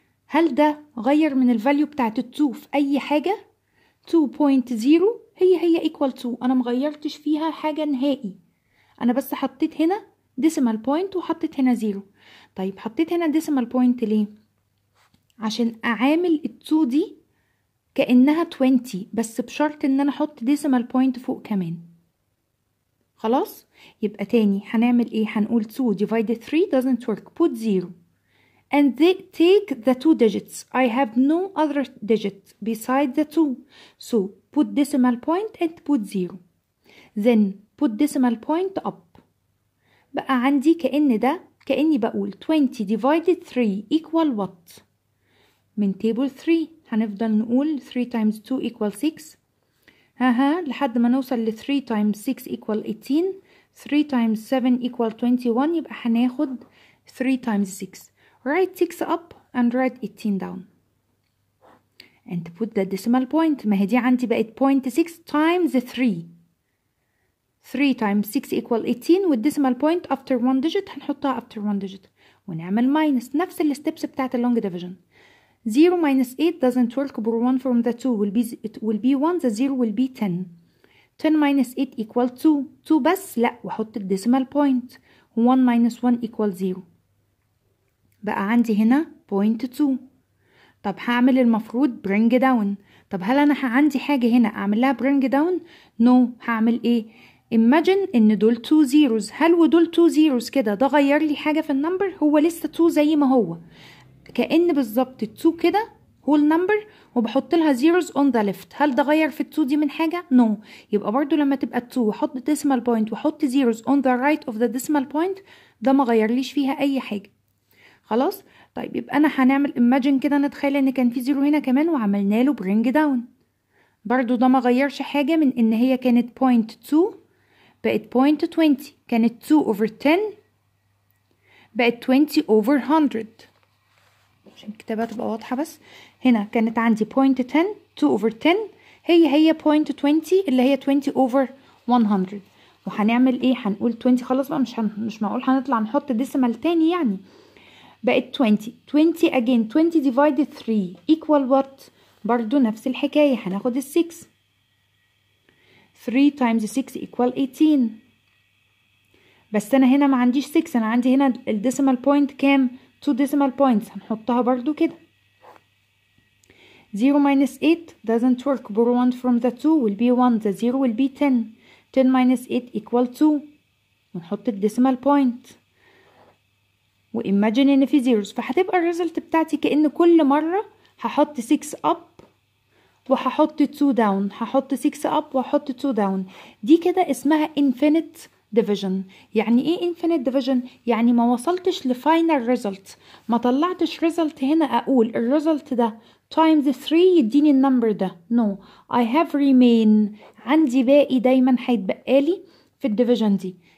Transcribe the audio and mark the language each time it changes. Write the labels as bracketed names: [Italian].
[Arabic] هل ده غير من الفاليو بتاعت 2 في اي حاجة؟ 2.0 هي equal 2, انا مغيرتش فيها حاجة نهائي, انا بس حطيت هنا decimal point وحطيت هنا زيرو. طيب حطيت هنا decimal point ليه؟ عشان اعامل 2 دي كأنها 20, بس بشرط ان انا حط decimal point فوق كمان. خلاص؟ يبقى تاني هنعمل ايه؟ هنقول [English] 2 divided 3 doesn't work, put 0 and they take the two digits, I have no other digit beside the 2, so put decimal point and put 0, then put decimal point up. [Arabic] بقى عندي كأن ده كأني بقول 20 divided 3 equal what من table 3. هنفضل نقول 3 times 2 equal 6 لحد ما نوصل ل 3 times 6 equal 18, 3 times 7 equal 21, يبقى هناخد 3 times 6. [English] Write 6 up and write 18 down. and to put the decimal point. [Arabic] ما هي دي عندي بقت 0.6 times 3. [English] 3 times 6 equal 18 with decimal point after 1 digit. [Arabic] هنحطها after 1 digit. ونعمل minus نفس ال steps بتاعت ال long division. [English] 0 minus 8 doesn't work over 1 from the 2. It will be 1, the 0 will be 10. 10 minus 8 equal 2. [Arabic] 2 بس لا وحط ال decimal point. [English] 1 minus 1 equal 0. [Arabic] بقى عندي هنا 0.2. طب هعمل المفروض bring down. طب هل انا عندي حاجة هنا اعملها bring down؟ [English] No. [Arabic] هعمل ايه؟ Imagine ان دول 2 zeros. هل ودول 2 zeros كده ده غير لي حاجة في النمبر؟ هو لسه 2 زي ما هو. كأن بالظبط 2 كده هو النمبر وبحط لها zeros on the left. هل ده غير في 2 دي من حاجة؟ [English] No. [Arabic] يبقى برضو لما تبقى 2 وحط decimal point وحط zeros on the right of the decimal point ده ما غير ليش فيها اي حاجة. خلاص؟ طيب يبقى انا هنعمل imagine كده نتخيل ان كان في زيرو هنا كمان وعملنا له bring down. برضو ده ما غيرش حاجة من ان هي كانت 0.2 بقت 0.20. كانت 2 over 10 بقت 20 over 100. عشان الكتابة تبقى واضحة بس. هنا كانت عندي 0.10 2 over 10 هي 0.20 اللي هي 20 over 100. وهنعمل ايه؟ هنقول 20 خلاص بقى مش معقول هنطلع نحط decimal تاني يعني. بقت 20. [English] 20 again 20 divided 3 equal what؟ [Arabic] برضو نفس الحكاية هناخد 6. [English] 3 times 6 equal 18. [Arabic] بس انا هنا ما عنديش 6 انا عندي هنا ال decimal point كام؟ 2 decimal points. هنحطها برضو كده. [English] 0 minus 8 doesn't work. Borrow 1 from the 2 will be 1. The 0 will be 10. 10 minus 8 equal 2. [Arabic] ونحط ال decimal point. وإيماجين إن في زيروز فهتبقى الريزلت بتاعتي كأن كل مرة هحط 6 up وهحط 2 down. هحط 6 up وهحط 2 down. دي كده اسمها infinite division. يعني إيه infinite division؟ يعني ما وصلتش لفاينل ريزلت ما طلعتش ريزلت هنا أقول الريزلت ده times 3 يديني النمبر ده. [English] No. I have remain [Arabic] عندي باقي دايما هيتبقالي في الديفيجن دي.